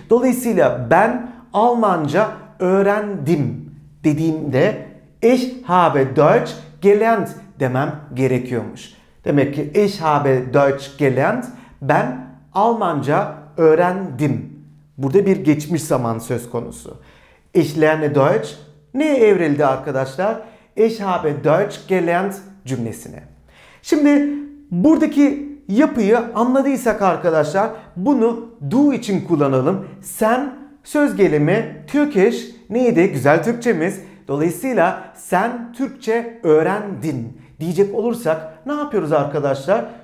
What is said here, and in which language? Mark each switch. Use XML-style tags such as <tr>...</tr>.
<tr>Dolayısıyla ben Almanca öğrendim dediğimde</tr> <de>ich habe Deutsch gelernt</de> <tr>demem gerekiyormuş. Demek ki ich habe Deutsch gelernt, ben Almanca öğrendim. Burada bir geçmiş zaman söz konusu.</tr> <de>Ich lerne Deutsch</de> <tr>ne evrildi arkadaşlar?</tr> <de>Ich habe Deutsch gelernt</de> <tr>cümlesine. Şimdi buradaki yapıyı anladıysak arkadaşlar bunu du için kullanalım. Sen söz gelimi Türkiş neydi? Güzel Türkçemiz. Dolayısıyla sen Türkçe öğrendin diyecek olursak ne yapıyoruz arkadaşlar?</tr>